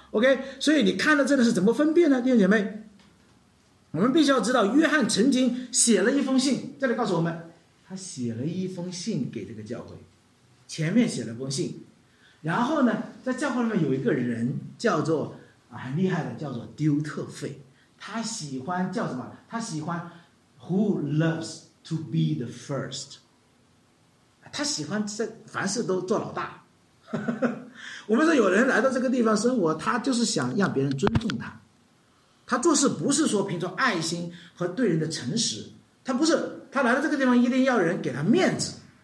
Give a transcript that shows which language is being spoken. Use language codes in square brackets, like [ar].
[zh] OK， 所以你看到这个是怎么分辨呢，弟兄姐妹？我们必须要知道，约翰曾经写了一封信，这里告诉我们，他写了一封信给这个教会，前面写了封信，然后呢，在教会里面有一个人叫做很厉害的，叫做丢特腓，他喜欢叫什么？他喜欢。 [en] Who loves to be the first? [zh] 他喜欢在凡事都做老大。我们说有人来到这个地方生活，他就是想让别人尊重他。他做事不是说凭着爱心和对人的诚实，他不是，他来到这个地方一定要人给他面子。